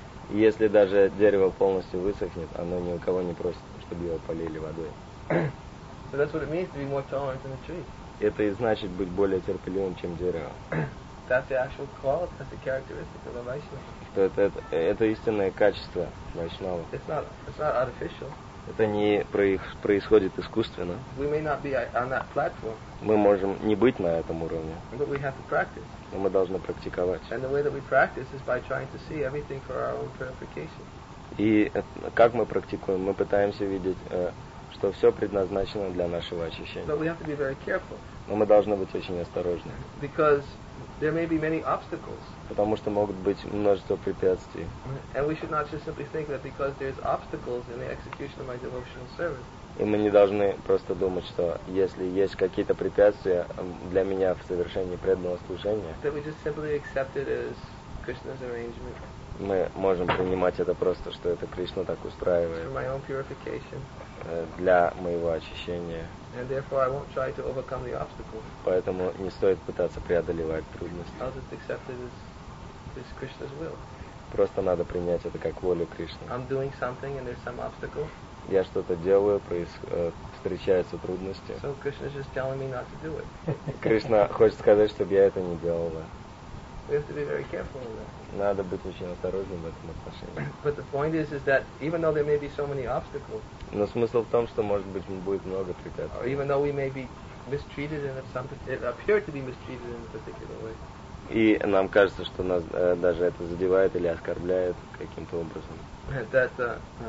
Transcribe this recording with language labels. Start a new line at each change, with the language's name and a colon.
Russian: Если даже дерево полностью высохнет, оно ни у кого не просит, чтобы его полили водой.
English: So that's what it means to be more tolerant than a tree.
Russian: Это и значит быть более терпеливым, чем дерево.
English: That's the actual quality, that's the characteristic of a Vaishnava.
Russian: Это истинное качество Вайшнава.
English: It's not artificial.
Russian: Это не происходит искусственно.
English: We may not be on that platform.
Russian: Мы можем не быть на этом уровне.
English: But we have to practice.
Russian: Но мы должны практиковать.
English: And the way that we practice is by trying to see everything for our own purification.
Russian: И как мы практикуем? Мы пытаемся видеть, что все предназначено для нашего очищения.
English: But we have to be very careful.
Russian: Но мы должны быть очень осторожны.
English: Because there may be many obstacles.
Russian: Потому что могут быть множество препятствий.
English: And we should not just simply think that because there is obstacles in the execution of my devotional service.
Russian: И мы не должны просто думать, что если есть какие-то препятствия для меня в совершении преданного служения.
English: That we just simply accept it as Krishna's arrangement.
Russian: Мы можем принимать это просто, что это Кришна так устраивает.
English: For my own purification.
Russian: Для моего очищения.
English: And therefore I won't try to overcome the obstacle.
Russian: Поэтому не стоит пытаться преодолевать трудности.
English: I'll just accept it as Krishna's will.
Russian: Просто надо принять это как волю Кришны.
English: I'm doing something and there's some obstacle.
Russian: я что-то делаю, встречаются трудности.
English: So Krishna is just telling me not to do it.
Russian: Кришна хочет сказать, чтобы я это не делал.
English: We have to be very careful in that.
Russian: Надо быть очень осторожным в этом отношении.
English: But the point is that even though there may be so many obstacles.
Russian: Но смысл в том, что может быть будет много препятствий.
English: Or even though we may be mistreated in some, it appear to be mistreated in a particular way.
Russian: И нам кажется, что нас даже это задевает или оскорбляет каким-то образом.